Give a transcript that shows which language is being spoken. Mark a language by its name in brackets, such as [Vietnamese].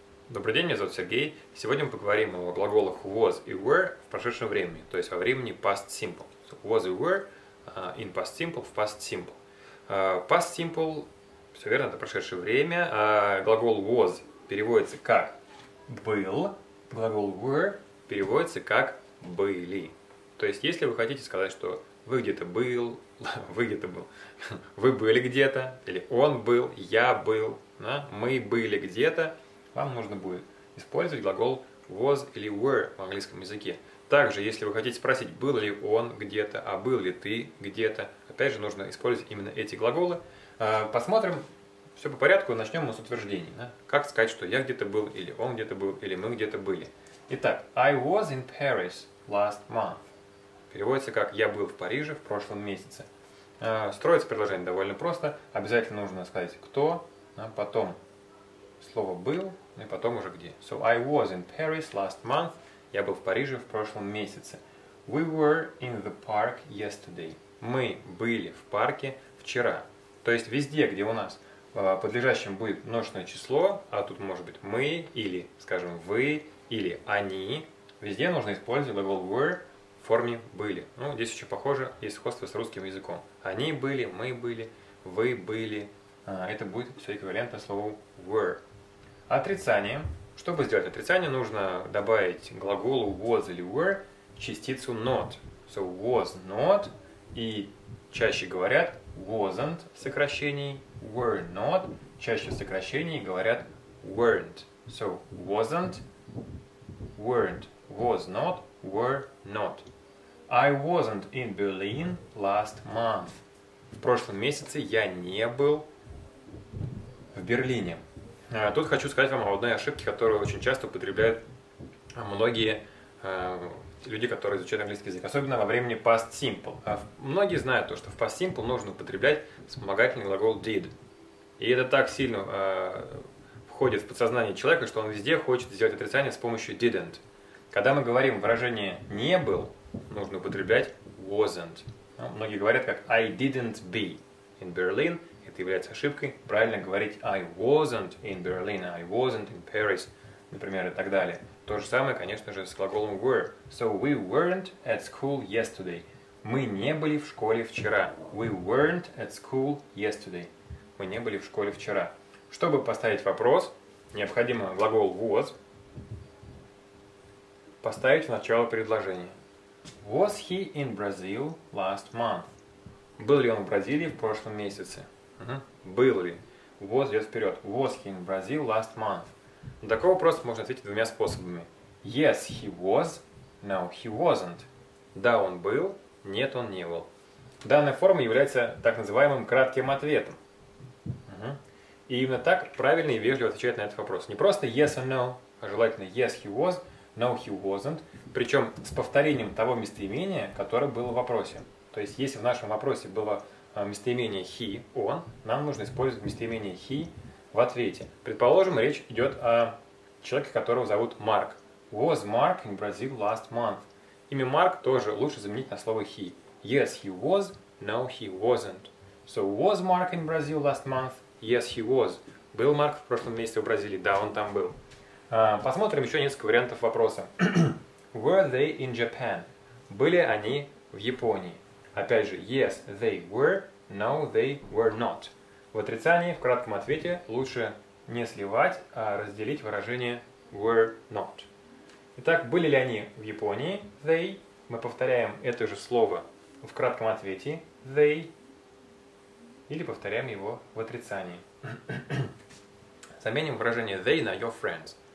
[Russian] Добрый день, меня зовут Сергей. Сегодня мы поговорим о глаголах was и were в прошедшем времени, то есть во времени past simple. [English] So, was и were in past simple, в past simple. [Russian] Past simple, все верно, это прошедшее время, а глагол was переводится как был, глагол were переводится как были. То есть, если вы хотите сказать, что вы где-то был, вы были где-то, или он был, я был, да? Мы были где-то, вам нужно будет использовать глагол was или were в английском языке. Также, если вы хотите спросить, был ли он где-то, а был ли ты где-то, опять же, нужно использовать именно эти глаголы. Посмотрим, все по порядку, начнем мы с утверждений. Да? Как сказать, что я где-то был, или он где-то был, или мы где-то были. [English] Итак, I was in Paris last month. [Russian] Переводится как «я был в Париже в прошлом месяце». Строится предложение довольно просто. Обязательно нужно сказать «кто», а потом слово «был», и потом уже «где». [English] So, I was in Paris last month. [Russian] Я был в Париже в прошлом месяце. [English] We were in the park yesterday. [Russian] Мы были в парке вчера. То есть везде, где у нас подлежащим будет множественное число, а тут может быть «мы» или, скажем, «вы» или «они», везде нужно использовать глагол «were» в форме были. Ну, здесь еще похоже, есть сходство с русским языком. Они были, мы были, вы были. Это будет все эквивалентно слову were. Отрицание. Чтобы сделать отрицание, нужно добавить к глаголу was или were частицу not. [English] So, was not. [Russian] И чаще говорят wasn't в сокращении, were not. Чаще в сокращении говорят weren't. [English] So, wasn't, weren't, was not, were not. I wasn't in Berlin last month. [Russian] В прошлом месяце я не был в Берлине. Тут хочу сказать вам об одной ошибке, которую очень часто употребляют многие люди, которые изучают английский язык, особенно во времени past simple. Многие знают то, что в past simple нужно употреблять вспомогательный глагол did. И это так сильно входит в подсознание человека, что он везде хочет сделать отрицание с помощью didn't. Когда мы говорим выражение «не был», нужно употреблять wasn't. Ну, многие говорят как [English] I didn't be in Berlin. [Russian] Это является ошибкой. Правильно говорить [English] I wasn't in Berlin, I wasn't in Paris, [Russian] например, и так далее. То же самое, конечно же, с глаголом were. [English] So we weren't at school yesterday. [Russian] Мы не были в школе вчера. [English] We weren't at school yesterday. [Russian] Мы не были в школе вчера. Чтобы поставить вопрос, необходимо глагол was поставить в начало предложения. [English] Was he in Brazil last month? [Russian] Был ли он в Бразилии в прошлом месяце? Был ли? Was идет вперед. [English] Was he in Brazil last month? [Russian] На такой вопрос можно ответить двумя способами. [English] Yes, he was. No, he wasn't. [Russian] Да, он был. Нет, он не был. Данная форма является так называемым кратким ответом. И именно так правильно и вежливо отвечает на этот вопрос. Не просто yes or no, а желательно [English] yes, he was. No, he wasn't. [Russian] Причем с повторением того местоимения, которое было в вопросе. То есть, если в нашем вопросе было местоимение he, он, нам нужно использовать местоимение he в ответе. Предположим, речь идет о человеке, которого зовут Марк. [English] Was Mark in Brazil last month? [Russian] Имя Марк тоже лучше заменить на слово he. [English] Yes, he was. No, he wasn't. So, was Mark in Brazil last month? Yes, he was. [Russian] Был Марк в прошлом месяце в Бразилии? Да, он там был. Посмотрим еще несколько вариантов вопроса. [English] Were they in Japan? [Russian] Были они в Японии? Опять же, [English] yes, they were, no, they were not. [Russian] В отрицании, в кратком ответе, лучше не сливать, а разделить выражение were not. Итак, были ли они в Японии? [English] They. [Russian] Мы повторяем это же слово в кратком ответе. [English] They. [Russian] Или повторяем его в отрицании. Заменим выражение they на your friends.